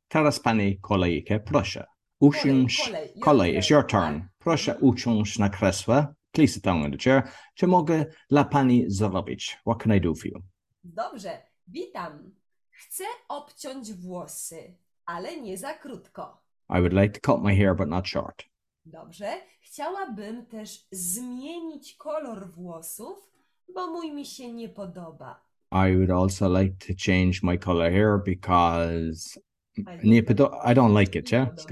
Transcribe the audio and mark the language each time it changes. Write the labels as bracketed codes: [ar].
[pl] Teraz pani kolejkę, proszę. Usiądź. Kolej, [en] it's your turn. [pl] Proszę usiąść na krzesło. [en] Please sit down in the chair. [pl] Czy mogę dla pani zrobić? [en] What can I do for you? [pl] Dobrze. Witam. Chcę obciąć włosy, ale nie za krótko. [en] I would like to cut my hair, but not short. [pl] Dobrze. Chciałabym też zmienić kolor włosów, bo mój mi się nie podoba. [en] I would also like to change my color hair because I don't like it, yeah?